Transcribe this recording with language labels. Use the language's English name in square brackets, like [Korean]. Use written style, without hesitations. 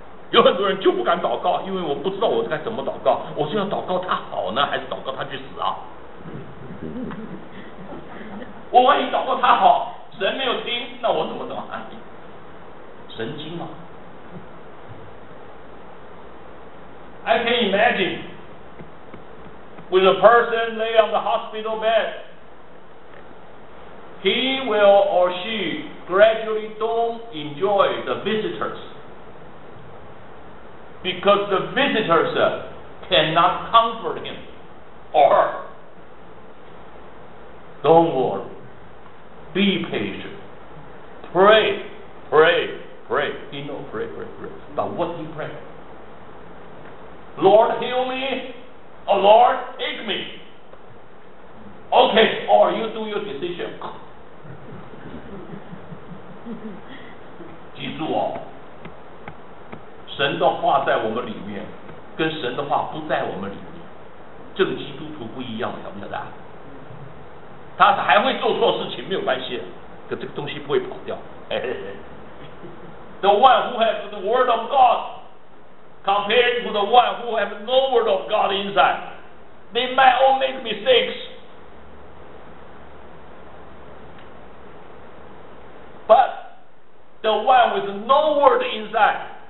[Chinese] 有很多人就不敢祷告，因为我不知道我该怎么祷告，我是要祷告他好呢，还是祷告他去死啊？我万一祷告他好，神没有听，那我怎么祷告？神经嘛。 [English] I can imagine with a person lay on the hospital bed, he will or she gradually don't enjoy the visitorsBecause the visitors cannot comfort him or her. Don't worry. Be patient. Pray, pray, pray. He know, pray, pray, pray. But what he pray? Lord, heal me. Oh, Lord, take me. Okay, or you do your decision. [Chinese] 记住哦。神的话在我们里面，跟神的话不在我们里面，这个基督徒不一样，晓不晓得？他还会做错事情，没有关系，可这个东西不会跑掉。 [English] The one who has the word of God compared to the one who has no word of God inside, they might all make mistakes, but the one with no word inside.